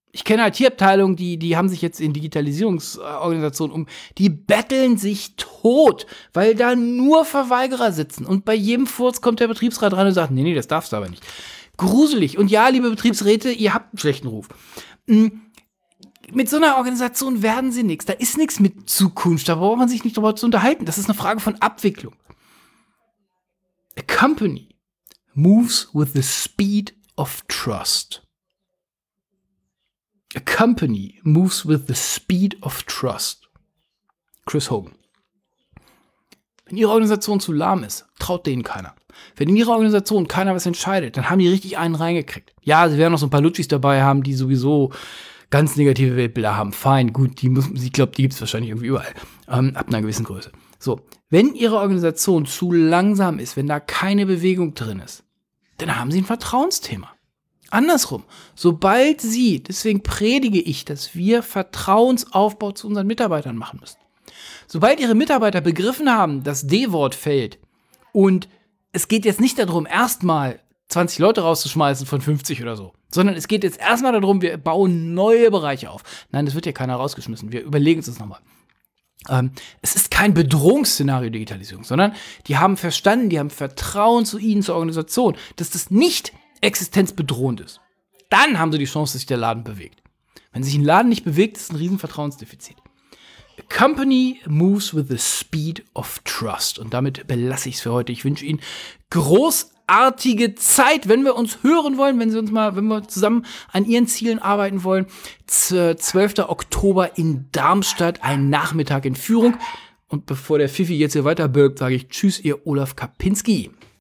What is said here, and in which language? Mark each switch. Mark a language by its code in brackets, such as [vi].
[de] Ich kenne IT-Abteilungen, die haben sich jetzt in Digitalisierungsorganisationen die betteln sich tot, weil da nur Verweigerer sitzen. Und bei jedem Furz kommt der Betriebsrat rein und sagt, nee, das darfst du aber nicht. Gruselig. Und ja, liebe Betriebsräte, ihr habt einen schlechten Ruf. Mit so einer Organisation werden sie nichts. Da ist nichts mit Zukunft. Da braucht man sich nicht drüber zu unterhalten. Das ist eine Frage von Abwicklung. [en] A company moves with the speed of trust. A company moves with the speed of trust. Chris Hogan. [de] Wenn Ihre Organisation zu lahm ist, traut denen keiner. Wenn in Ihrer Organisation keiner was entscheidet, dann haben die richtig einen reingekriegt. Ja, sie werden noch so ein paar Lutschis dabei haben, die sowieso ganz negative Weltbilder haben. Fein, gut, die gibt es wahrscheinlich irgendwie überall. Ab einer gewissen Größe. So, wenn Ihre Organisation zu langsam ist, wenn da keine Bewegung drin ist, dann haben Sie ein Vertrauensthema. Andersrum, sobald Sie, deswegen predige ich, dass wir Vertrauensaufbau zu unseren Mitarbeitern machen müssen. Sobald Ihre Mitarbeiter begriffen haben, dass D-Wort fällt und es geht jetzt nicht darum, erstmal 20 Leute rauszuschmeißen von 50 oder so, sondern es geht jetzt erstmal darum, wir bauen neue Bereiche auf. Nein, es wird ja keiner rausgeschmissen, wir überlegen es uns nochmal. Es ist kein Bedrohungsszenario Digitalisierung, sondern die haben verstanden, die haben Vertrauen zu Ihnen, zur Organisation, dass das nicht existenzbedrohend ist. Dann haben Sie die Chance, dass sich der Laden bewegt. Wenn sich ein Laden nicht bewegt, ist es ein Riesenvertrauensdefizit. [en] A company moves with the speed of trust. [de] Und damit belasse ich es für heute. Ich wünsche Ihnen großartige Zeit, wenn wir uns hören wollen, wenn wir zusammen an Ihren Zielen arbeiten wollen. 12. Oktober in Darmstadt, ein Nachmittag in Führung. Und bevor der Fifi jetzt hier weiterbirgt, sage ich Tschüss, Ihr Olaf Kapinski.